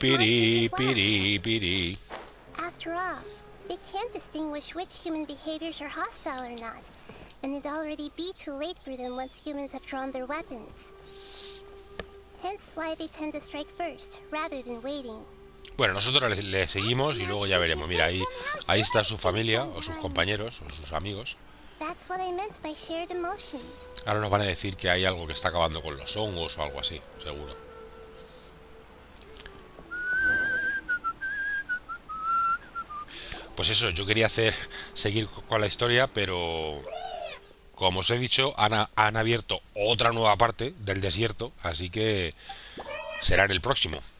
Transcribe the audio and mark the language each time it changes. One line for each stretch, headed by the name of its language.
English: piri, monsters as piri, piri. After all, they can't distinguish which human behaviors are hostile or not, and it'd already be too late for them once humans have drawn their weapons. Hence why they tend to strike first, rather than waiting.
Spanish: Bueno, nosotros le seguimos y luego ya veremos. Mira, ahí está su familia, o sus compañeros, o sus amigos.
English: That's what I meant by shared emotions.
Spanish: Ahora nos van a decir que hay algo que está acabando con los hongos o algo así, seguro. Pues eso, yo quería hacer seguir con la historia, pero Como os he dicho, han abierto otra nueva parte del desierto, así que será en el próximo.